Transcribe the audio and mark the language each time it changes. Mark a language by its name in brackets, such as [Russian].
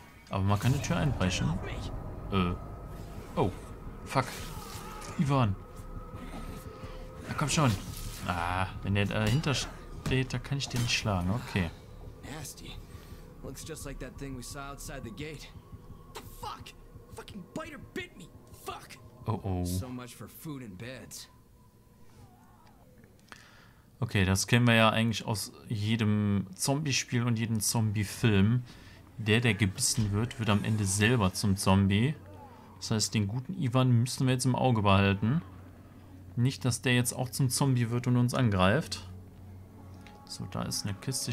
[German] Aber man kann die Tür einbrechen. Oh. Fuck. Yvonne. Na komm schon. Ah, wenn der dahinter steht, da kann ich den nicht schlagen. Okay. [English] Nasty. Looks just like that thing we saw outside the gate. The fuck? Fucking biter bit me. Fuck. Oh. So much for food and beds. [German] Okay, das kennen wir ja eigentlich aus jedem Zombie-Spiel und jedem Zombie-Film. Der gebissen wird, wird am Ende selber zum Zombie. Das heißt, den guten Ivan müssen wir jetzt im Auge behalten. Nicht, dass der jetzt auch zum Zombie wird und uns angreift. So, da ist eine Kiste.